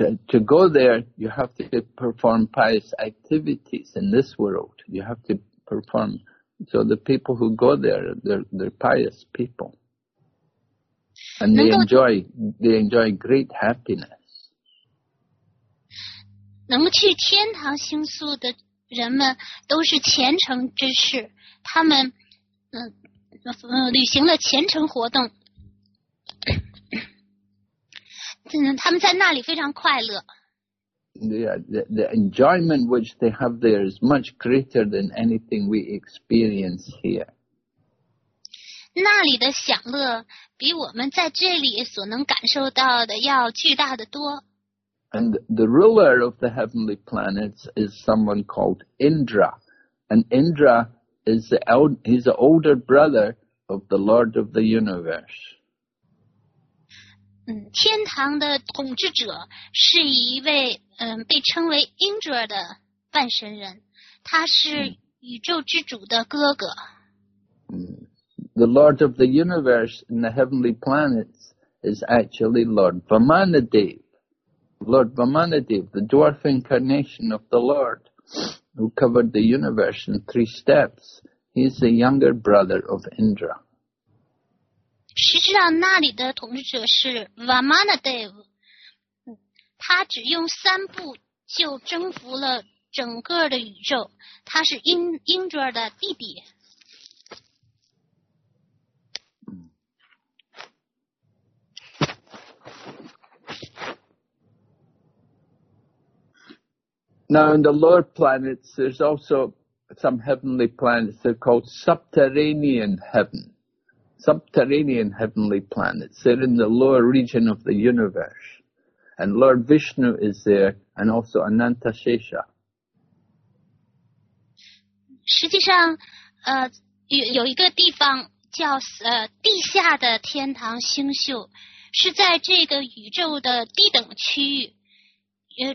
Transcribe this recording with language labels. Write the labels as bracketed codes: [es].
[en] To go there, you have to perform pious activities in this world. You have to perform. So the people who go there, they're pious people, and they enjoy great happiness. [zh] 能去天堂星宿的人们都是虔诚之士，他们履行了虔诚活动，他们在那里非常快乐。 [en] The enjoyment which they have there is much greater than anything we experience here. [zh] 那里的享乐比我们在这里所能感受到的要巨大的多。 [en] And the ruler of the heavenly planets is someone called Indra. And Indra is he's the older brother of the Lord of the Universe. [zh] 天堂的统治者是一位被称为 Indra 的半神人，他是宇宙之主的哥哥。 [en] The Lord of the universe and the heavenly planets is actually Lord Vamanadev. Lord Vamanadev, the dwarf incarnation of the Lord, who covered the universe in three steps, he's the younger brother of Indra. [zh] 实际上那里的统治者是 Vamanadev, 他只用三步就征服了整个的宇宙，他是 Indra 的弟弟。 [en] Now in the lower planets, there's also some heavenly planets. They're called subterranean heaven. Subterranean heavenly planets. They're in the lower region of the universe. And Lord Vishnu is there, and also Anantashesha. [zh] 实际上，有一个地方叫地下的天堂星宿，是在这个宇宙的低等区域。